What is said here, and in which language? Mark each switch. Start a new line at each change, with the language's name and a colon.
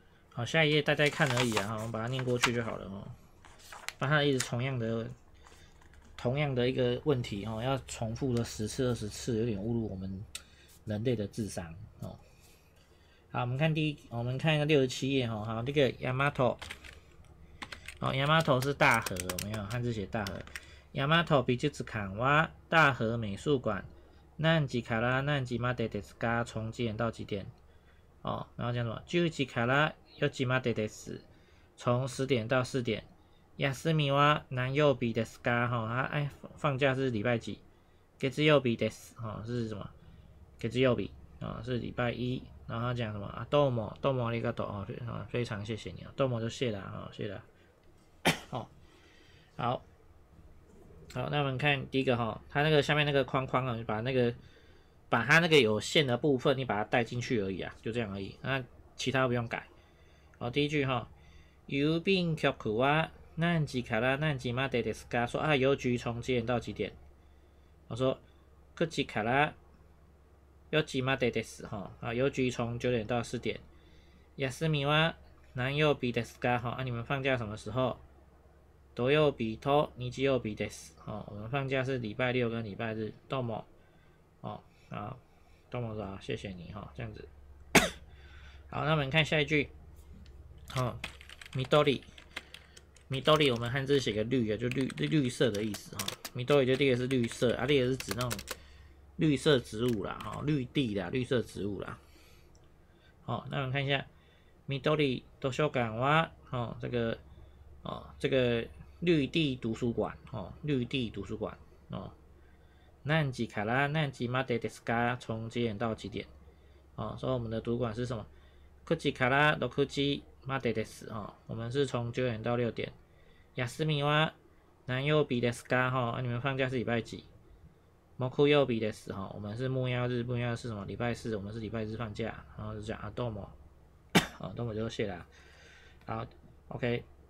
Chinese: 好，下一页大家看而已啊，我们把它念过去就好了哦。把它一直同样的一个问题哦，要重复了十次、二十次，有点侮辱我们人类的智商哦。好，我们看一个六十七页哦。好，那个 Yamato。哦，ヤマト是大河，没有汉字写大河。
Japanese: ヤマト美術館は大河美術館。何時から何時までですか？
Chinese: 从几点到几点？哦，然后叫什么？
Japanese: 十時から四時までです。
Chinese: 从十点到四点。
Japanese: 休みは何曜日ですか？
Chinese: 哈、哦，哎，放假是礼拜几？
Japanese: 月曜日です。
Chinese: 哦，是什么？月曜日啊、哦，是礼拜一。然后讲什么？啊，どうも、
Japanese: どうもありがとう。
Chinese: 哦，非常谢谢你啊，どうも就谢了啊、哦，谢了。好，好，那我们看第一个哈，它那个下面那个框框啊，把它那个有线的部分，你把它带进去而已啊，就这样而已，那其他都不用改。
Japanese: 好，第一句哈，郵便局は何時から何時までですか？
Chinese: 说啊，邮局从几点到几点？我说
Japanese: 九時から四時までです
Chinese: 哈，啊，邮局从九点到四点。
Japanese: 休みは何曜日ですか？
Chinese: 哈，啊，你们放假什么时候？
Japanese: 土曜日と日曜日です。
Chinese: 哦，我们放假是礼拜六跟礼拜日。どうも。哦，啊，どうも，谢谢你哈、哦，这样子。好，那我们看下一句。好、哦，みどり。みどり，我们汉字写个绿啊，就绿色的意思哈。みどり就列是绿色，啊，列是指那种绿色植物啦，哈、哦，绿地啦，绿色植物啦。好、哦，那我们看一下，みどり図書館は，哦，这个。哦，这个绿地图书馆哦，绿地图书馆哦。
Japanese: 何時から何時までですか？
Chinese: 从几点到几点？哦，所以我们的图书馆是什么？
Japanese: 九時から六時までです。
Chinese: 哦，我们是从九点到六点。
Japanese: 休みは何曜日ですか？
Chinese: 哈、哦啊，你们放假是礼拜几？
Japanese: 木曜日です。
Chinese: 哈、哦，我们是木曜日，木曜是什么？礼拜四，我们是礼拜日放假。然后就讲啊，どうも。哦，どうも就谢啦。好 ，OK。